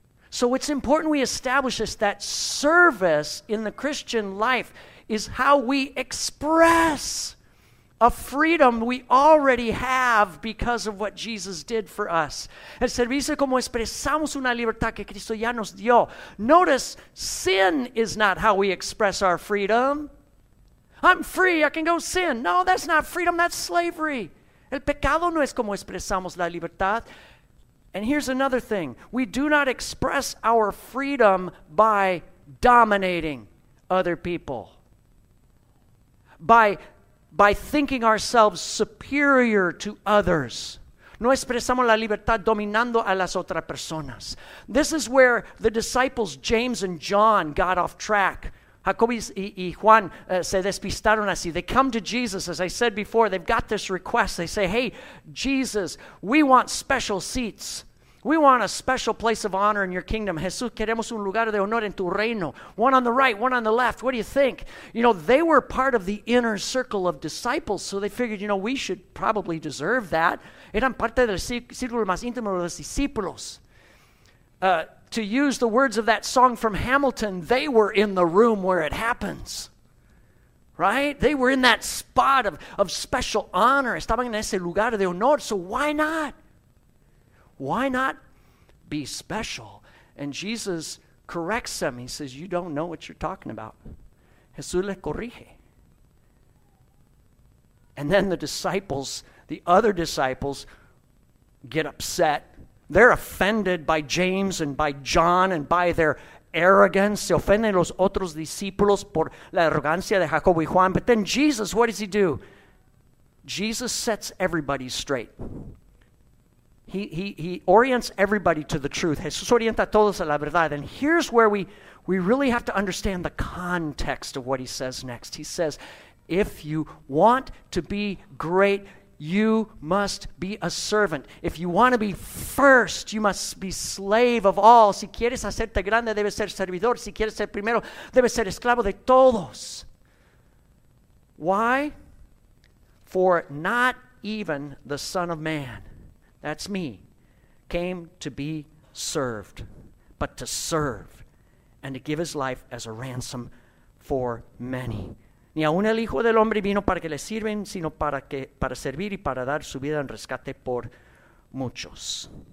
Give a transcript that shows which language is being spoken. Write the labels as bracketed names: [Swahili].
[English] So it's important we establish this, that service in the Christian life is how we express a freedom we already have because of what Jesus did for us. [Spanish] El servicio como expresamos una libertad que Cristo ya nos dio. [English] Notice, sin is not how we express our freedom. I'm free, I can go sin. No, that's not freedom, that's slavery. [Spanish] El pecado no es como expresamos la libertad. [English] And here's another thing. We do not express our freedom by dominating other people. By thinking ourselves superior to others. [Spanish] No expresamos la libertad dominando a las otras personas. [English] This is where the disciples James and John got off track. [Spanish] Jacob y Juan se despistaron así. [English] They come to Jesus, as I said before, they've got this request. They say, hey, Jesus, we want special seats. We want a special place of honor in your kingdom. [Spanish] Jesús, queremos un lugar de honor en tu reino. [English] One on the right, one on the left. What do you think? You know, they were part of the inner circle of disciples, so they figured, you know, we should probably deserve that. [Spanish] Eran parte del círculo más íntimo de los discípulos. [English] To use the words of that song from Hamilton, they were in the room where it happens. Right? They were in that spot of special honor. [Spanish] Estaban en ese lugar de honor, [English] so why not? Why not be special? And Jesus corrects them. He says, you don't know what you're talking about. [Spanish] Jesús le corrige. [English] And then the disciples, the other disciples, get upset. They're offended by James and by John and by their arrogance. [Spanish] Se ofenden los otros discípulos por la arrogancia de Jacob y Juan. [English] But then Jesus, what does he do? Jesus sets everybody straight. He orients everybody to the truth. [Spanish] Jesús orienta a todos a la verdad. [English] And here's where we really have to understand the context of what he says next. He says, if you want to be great, you must be a servant. If you want to be first, you must be slave of all. [Spanish] Si quieres hacerte grande, debes ser servidor. Si quieres ser primero, debes ser esclavo de todos. [English] Why? For not even the Son of Man. That's me, came to be served, but to serve, and to give his life as a ransom for many. [Spanish] Ni aun el Hijo del Hombre vino para que le sirven, sino para servir y para dar su vida en rescate por muchos.